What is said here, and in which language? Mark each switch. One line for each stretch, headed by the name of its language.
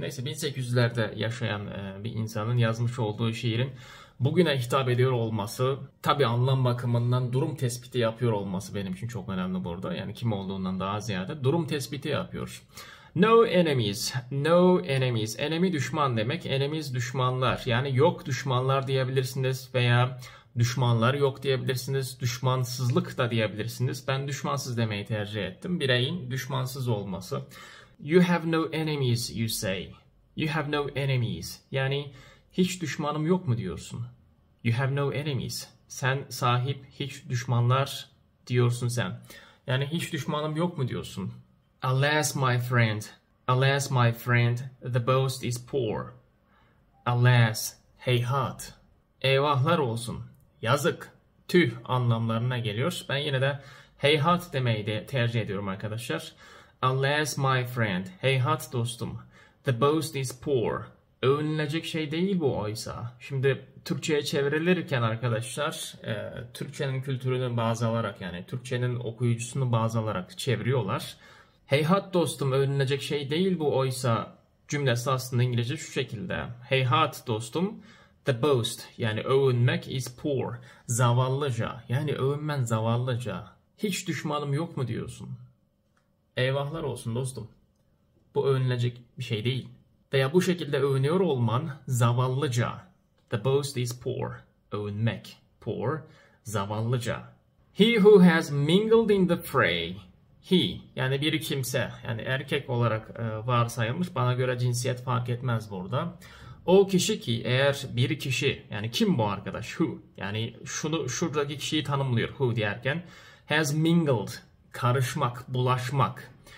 Turkish: Neyse, 1800'lerde yaşayan bir insanın yazmış olduğu şiirin bugüne hitap ediyor olması, tabi anlam bakımından durum tespiti yapıyor olması benim için çok önemli burada. Yani kim olduğundan daha ziyade durum tespiti yapıyor.
English: No enemies, no enemies. Enemy
Turkish: düşman demek. Enemies düşmanlar. Yani yok düşmanlar diyebilirsiniz veya düşmanlar yok diyebilirsiniz. Düşmansızlık da diyebilirsiniz. Ben düşmansız demeyi tercih ettim. Bireyin düşmansız olması.
English: You have no enemies, you say. You have no enemies.
Turkish: Yani hiç düşmanım yok mu diyorsun?
English: You have no enemies.
Turkish: Sen sahip hiç düşmanlar diyorsun sen. Yani hiç düşmanım yok mu diyorsun?
English: Alas my friend, alas my friend, the boast is poor.
Turkish: Alas, heyhat. Eyvahlar olsun. Yazık. Tüh anlamlarına geliyor. Ben yine de heyhat demeyi de tercih ediyorum arkadaşlar.
English: Alas my friend,
Turkish: heyhat dostum.
English: The boast is poor.
Turkish: Övünülecek şey değil bu oysa. Şimdi Türkçe'ye çevrilirken arkadaşlar, Türkçe'nin kültürünü baz alarak yani Türkçe'nin okuyucusunu baz alarak çeviriyorlar. Heyhat dostum, övünülecek şey değil bu oysa cümlesi aslında İngilizce şu şekilde. Heyhat dostum,
English: the boast
Turkish: yani övünmek
English: is poor.
Turkish: Zavallıca yani övünmen zavallıca. Hiç düşmanım yok mu diyorsun? Eyvahlar olsun dostum. Bu övünülecek bir şey değil. Veya bu şekilde övünüyor olman zavallıca.
English: The boast is poor. Övünmek poor. Zavallıca. He who has mingled in the fray.
Turkish: He yani bir kimse yani erkek olarak varsayılmış, bana göre cinsiyet fark etmez burada. O kişi ki eğer bir kişi yani kim bu arkadaş who yani şunu şuradaki kişiyi tanımlıyor who derken
English: has mingled
Turkish: karışmak bulaşmak.